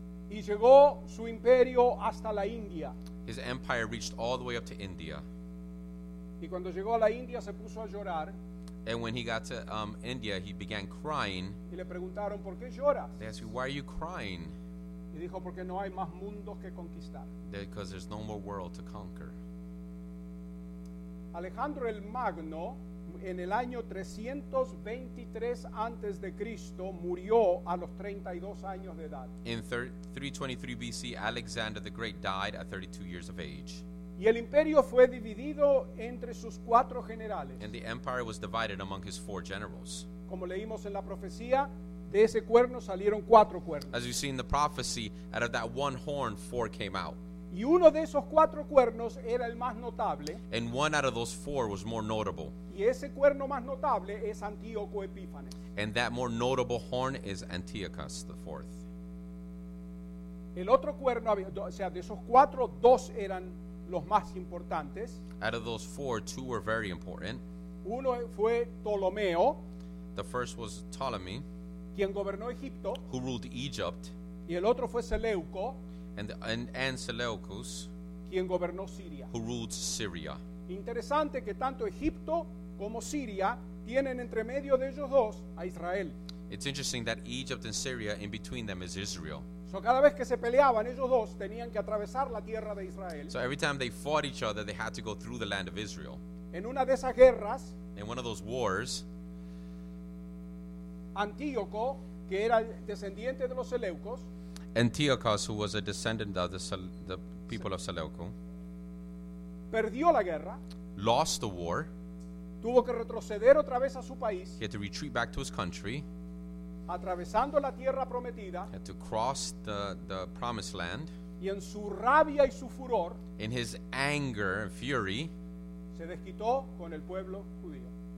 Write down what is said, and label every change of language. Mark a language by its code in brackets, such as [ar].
[es] Y llegó su imperio hasta la India. [en] His empire reached all the way up to India. [es] Y cuando llegó a la India se puso a llorar. [en] And when he got to India, he began crying. [es] Y le preguntaron, ¿por qué lloras? [en] They asked him, why are you crying? [es] Y dijo, porque no hay más mundos que conquistar. [en] Because there's no more world to conquer. [es] Alejandro el Magno, en el año 323 antes de Cristo, murió a los 32 años de edad. [en] In 323 BC, Alexander the Great died at 32 years of age. [es] Y el imperio fue dividido entre sus cuatro generales. [en] And the empire was divided among his four generals. [es] como leímos en la profecía, de ese cuerno salieron cuatro cuernos. [en] As you see in the prophecy, out of that one horn, four came out. [es] Y uno de esos cuatro cuernos era el más notable. [en] And one out of those four was more notable. [es] Y ese cuerno más notable es Antíoco Epífanes. [en] And that more notable horn is Antiochus the fourth. [es] El otro cuerno había, o sea, de esos cuatro, dos eran los más importantes. [en] Out of those four, two were very important. [es] Uno fue Ptolomeo. [en] The first was Ptolemy, [es] quien gobernó Egipto. [en] Who ruled Egypt. [es] Y el otro fue Seleuco. [en] And Seleucus, [es] quien gobernó Siria. [en] Who ruled Syria. [es] Interesante que tanto Egipto como Siria tienen entre medio de ellos dos a Israel. [en] It's interesting that Egypt and Syria, in between them is Israel. [es] So cada vez que se peleaban ellos dos tenían que atravesar la tierra de Israel. [en] So every time they fought each other they had to go through the land of Israel. [es] En una de esas guerras, [en] in one of those wars, [es] Antíoco, que era descendiente de los Seleucos, [en] Antiochus, who was a descendant of the people of Seleucus, [es] perdió la guerra, [en] lost the war, [es] tuvo que retroceder otra vez a su país, [en] he had to retreat back to his country, [es] atravesando la tierra prometida, [en] had to cross the promised land, [es] y en su rabia y su furor, [en] in his anger and fury, [es] se desquitó con el pueblo judío.